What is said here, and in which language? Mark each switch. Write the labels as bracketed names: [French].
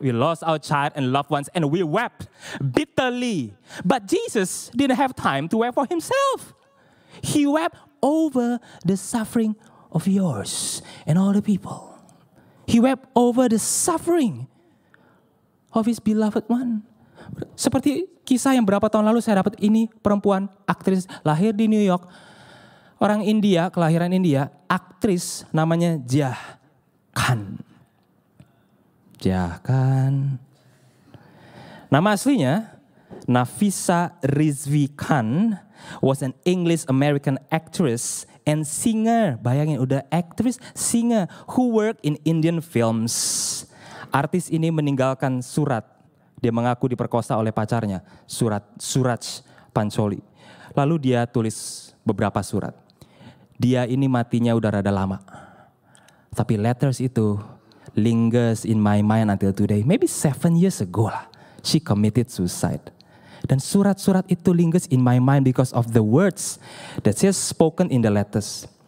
[English] We lost our child and loved ones and we wept bitterly. But Jesus didn't have time to wept for himself. He wept over the suffering of yours and all the people. He wept over the suffering of his beloved one. [Indonesian] Seperti kisah yang berapa tahun lalu saya dapat ini, perempuan, aktris, lahir di New York. Orang India, kelahiran India, aktris namanya Jah Khan. Jah Khan. Nama aslinya, [English] Nafisa Rizvi Khan, was an English-American actress and singer. [Indonesian] Bayangin, udah aktris, [English] singer, who worked in Indian films. [Indonesian] Artis ini meninggalkan surat. Dia mengaku diperkosa oleh pacarnya, surat Suraj Pancholi. Lalu dia tulis beberapa surat. Dia ini matinya udah rada lama. [English] Tapi letters itu lingers in my mind until today. Maybe 7 years ago lah, she committed suicide. [Indonesian] Dan surat-surat itu [English] lingers in my mind because of the words that she has spoken in the letters.